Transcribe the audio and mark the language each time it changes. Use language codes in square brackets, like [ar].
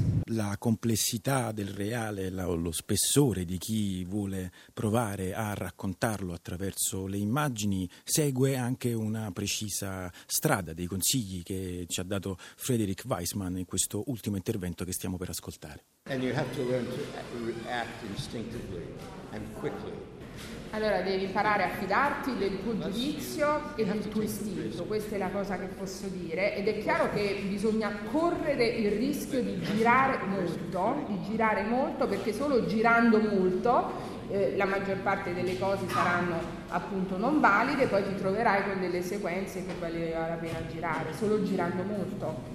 [it] La complessità del reale, lo spessore di chi vuole provare a raccontarlo attraverso le immagini segue anche una precisa strada, dei consigli che ci ha dato Frederick Weissman in questo ultimo intervento che stiamo per ascoltare. [en] And you have to learn to react instinctively and quickly. [it] Allora devi imparare a fidarti del tuo giudizio e del tuo istinto, questa è la cosa che posso dire, ed è chiaro che bisogna correre il rischio di girare molto, perché solo girando molto la maggior parte delle cose saranno appunto non valide, poi ti troverai con delle sequenze che valeva la pena girare, solo girando molto.